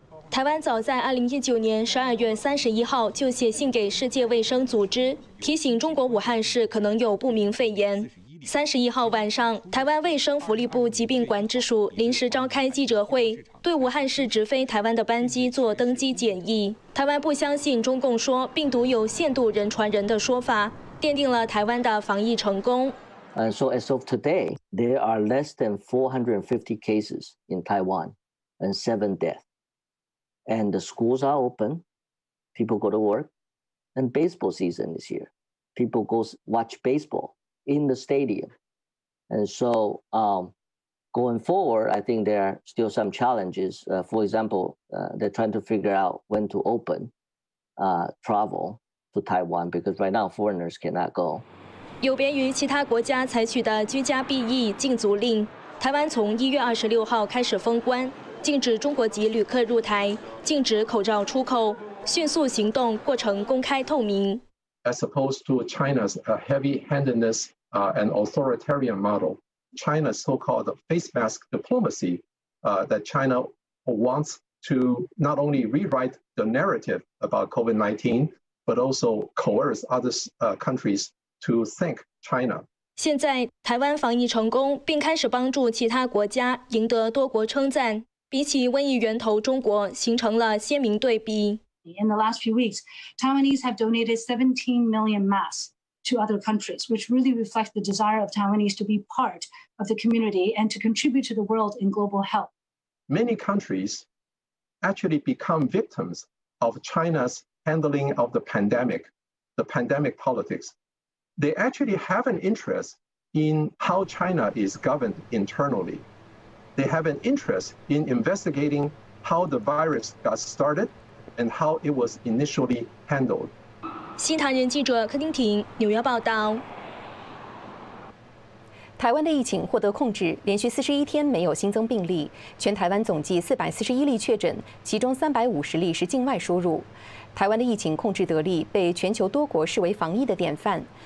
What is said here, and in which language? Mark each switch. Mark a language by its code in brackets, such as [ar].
[zh] 台湾早在2019年12月31号就写信给世界卫生组织，提醒中国武汉市可能有不明肺炎。 31号晚上，台湾卫生福利部疾病管制署临时召开记者会，对武汉市直飞台湾的班机做登机检疫。台湾不相信中共说病毒有限度人传人的说法，奠定了台湾的防疫成功。 [en] So as of today, there are less than 450 cases in Taiwan, and 7 deaths. And the schools are open, people go to work, and baseball season is here. People go watch baseball in the stadium. And so going forward, I think there are still some challenges. For example, they're trying to figure out when to open travel to Taiwan, because right now foreigners cannot go. [zh] 有别于其他国家采取的居家避疫禁足令，台湾从1月26号开始封关，禁止中国籍旅客入台，禁止口罩出口，迅速行动过程公开透明。 [en] As opposed to China's heavy-handedness and authoritarian model, China's so-called face mask diplomacy that China wants to not only rewrite the narrative about COVID-19, but also coerce other countries to thank China. [zh] 现在台湾防疫成功，并开始帮助其他国家赢得多国称赞。比起瘟疫源头中国，形成了鲜明对比。 [en] In the last few weeks, Taiwanese have donated 17 million masks to other countries, which really reflects the desire of Taiwanese to be part of the community and to contribute to the world in global health. Many countries actually become victims of China's handling of the pandemic politics. They actually have an interest in how China is governed internally. They have an interest in investigating how the virus got started and how it was initially handled. [zh] 新唐人记者柯丁婷，纽约报道。台湾的疫情获得控制，连续41天没有新增病例。全台湾总计441例确诊，其中350例是境外输入。台湾的疫情控制得力，被全球多国视为防疫的典范。